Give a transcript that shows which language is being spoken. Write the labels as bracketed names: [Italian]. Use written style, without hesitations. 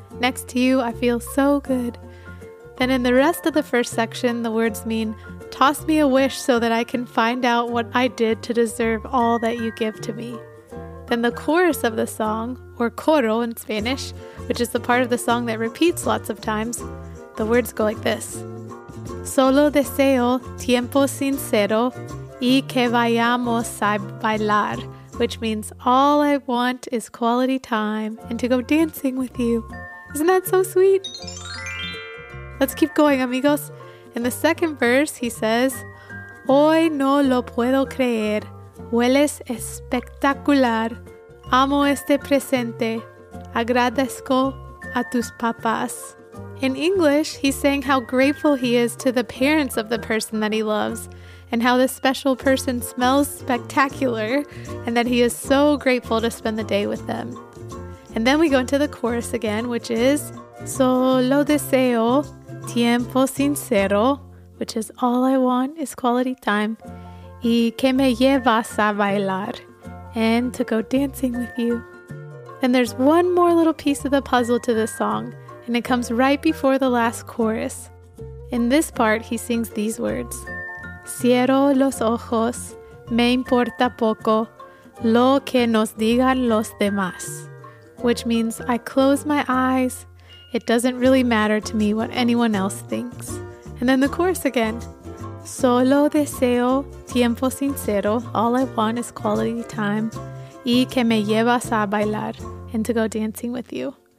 [English] Next to you, I feel so good. Then in the rest of the first section, the words mean, toss me a wish so that I can find out what I did to deserve all that you give to me. Then the chorus of the song, or coro in Spanish, which is the part of the song that repeats lots of times, the words go like this. [Spanish] Solo deseo tiempo sincero y que vayamos a bailar. [English] Which means all I want is quality time and to go dancing with you. Isn't that so sweet? Let's keep going, amigos. In the second verse, he says, [Spanish] Hoy no lo puedo creer. Hueles espectacular. Amo este presente. Agradezco a tus papás. [English] In English, he's saying how grateful he is to the parents of the person that he loves. And how this special person smells spectacular, and that he is so grateful to spend the day with them. And then we go into the chorus again, which is [Spanish] Solo deseo tiempo sincero, [English] which is all I want is quality time, [Spanish] y que me llevas a bailar, [English] and to go dancing with you. Then there's one more little piece of the puzzle to this song, and it comes right before the last chorus. In this part, he sings these words. [Spanish] Cierro los ojos, me importa poco lo que nos digan los demás. [English] Which means, I close my eyes, it doesn't really matter to me what anyone else thinks. And then the chorus again. [Spanish] Solo deseo tiempo sincero, [English] all I want is quality time, [Spanish] y que me llevas a bailar, [English] and to go dancing with you.